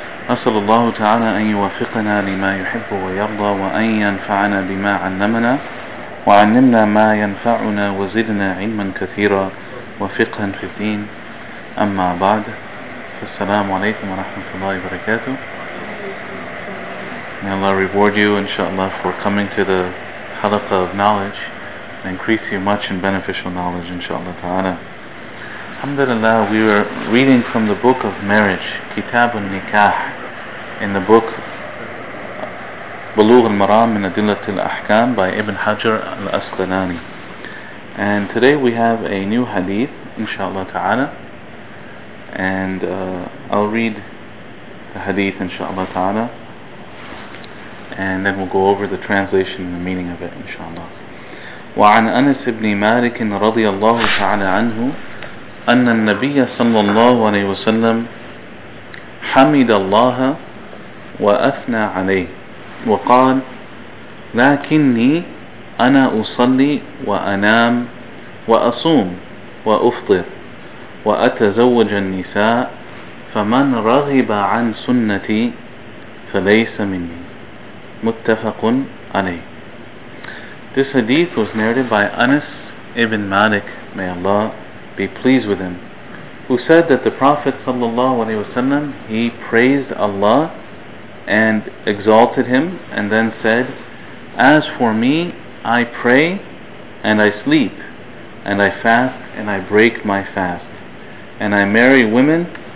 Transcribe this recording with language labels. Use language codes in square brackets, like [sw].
[ar] أسأل الله تعالى أن يوفقنا لما يحب ويرضى، وأن ينفعنا بما علمنا، وعلمنا ما ينفعنا، وزدنا علما كثيرا وفقها في الدين. أما بعد، السلام عليكم ورحمة الله وبركاته. [en] May Allah reward you inshaAllah for coming to the halaqah of knowledge and increase you much in beneficial knowledge inshaAllah ta'ala. Alhamdulillah, we were reading from the book of marriage, Kitab al-Nikah, in the book Bulugh al-Maram min Adillat al-Ahkam by Ibn Hajar al-Asqalani. And today we have a new hadith inshaAllah ta'ala. And I'll read the hadith inshaAllah ta'ala, and then we'll go over the translation and the meaning of it inshaAllah. [ar] وعن أنس بن مالك رضي الله تعالى عنه أن النبي صلى الله عليه وسلم حمد الله وأثنى عليه وقال لكني أنا أصلي وأنام وأصوم وأفطر وأتزوج النساء، فمن رغب عن سنتي فليس مني. متفق عليه. [en] This hadith was narrated by Anas ibn Malik, may Allah be pleased with him, who said that the Prophet ﷺ, he praised Allah and exalted him, and then said, as for me, I pray and I sleep and I fast and I break my fast, and I marry women.